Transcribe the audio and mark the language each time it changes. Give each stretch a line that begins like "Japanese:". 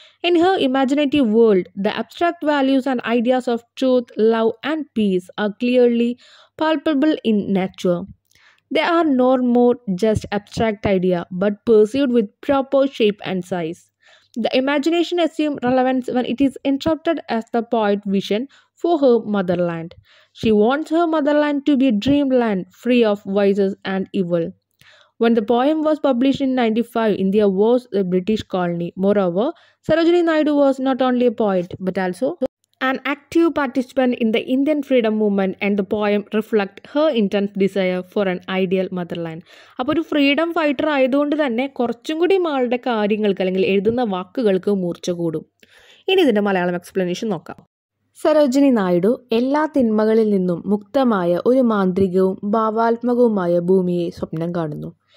English: In her imaginative world the abstract values and ideas of truth love and peace are clearly palpable in nature. They are no more just abstract idea but pursued with proper shape and size. The imagination assume relevance when it is interrupted as the poet vision for her motherland. She wants her motherland to be a dreamland free of vices and evil. When the poem was published in 95, India was a British colony. Moreover, Sarojini Naidu was not only a poet, but also an active participant in the Indian freedom movement, and the poem reflect her intense desire for an ideal motherland.
Malayalam: അപ്പോൾ ഒരു freedom fighter ആയതുകൊണ്ട് തന്നെ കുറച്ചും കൂടി മാളുടെ കാര്യങ്ങൾക്ക് അല്ലെങ്കിൽ എഴുതുന്ന വാക്കുകൾക്ക് മൂർച്ച കൂടും. ഇനി ഇതിൻ്റെ മലയാളം എക്സ്പ്ലനേഷൻ നോക്കാം. സരോജിനി നായിഡു എല്ലാ തിന്മകളിൽ നിന്നും മുക്തമായ ഒരു മാന്ത്രികവും ഭാവാത്മകവുമായ ഭൂമിയെ സ്വപ്നം കാണുന്നു.